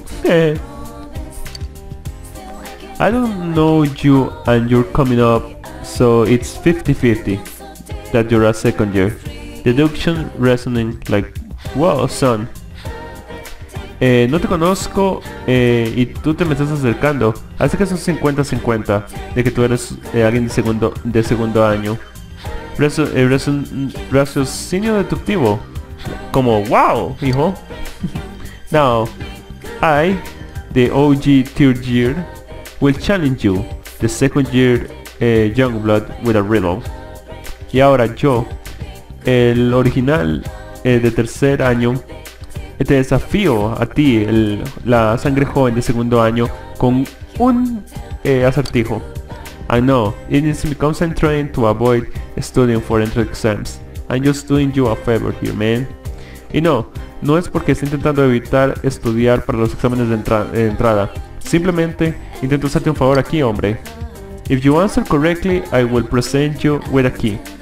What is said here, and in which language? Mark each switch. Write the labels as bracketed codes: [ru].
[en] I don't know you and you're coming up, so it's 50-50 that you're a second year. Deduction reasoning like... Wow, son. [es] No te conozco y tú te me estás acercando. Así que son 50-50 de que tú eres alguien de segundo año. Raciocinio deductivo. Como wow, hijo. [en] Now, I, the OG third year, will challenge you, the second year young blood, with a riddle. [es] Y ahora yo, el original de tercer año, te desafío a ti, la sangre joven de segundo año, con un acertijo. [en] I know, it needs to be concentrating to avoid studying for entrance exams. I'm just doing you a favor here, man. [es] Y no es porque esté intentando evitar estudiar para los exámenes de entrada. Simplemente intento hacerte un favor aquí, hombre. [en] If you answer correctly, I will present you with a key.